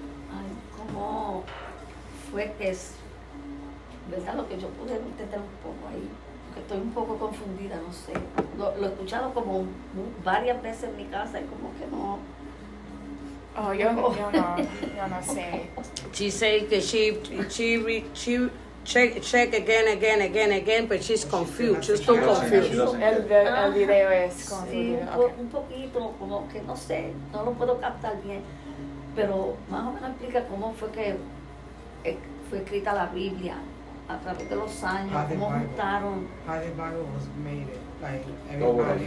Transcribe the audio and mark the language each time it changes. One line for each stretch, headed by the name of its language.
Spanish: Ay, cómo fue es, ¿verdad? Lo que yo pude entender un poco ahí, porque estoy un poco confundida, no sé. Lo he escuchado como varias veces en mi casa y como que no. Oh, yo no sé.
English: She said que she check again, but she's confused. She's too confused.
Spanish: El video es confuso. Sí, okay. Un poquito, como que no sé, no lo puedo captar bien, pero más o menos explica cómo fue que fue escrita la Biblia a través de los años, cómo juntaron.
English: How the Bible was made, it, like everybody.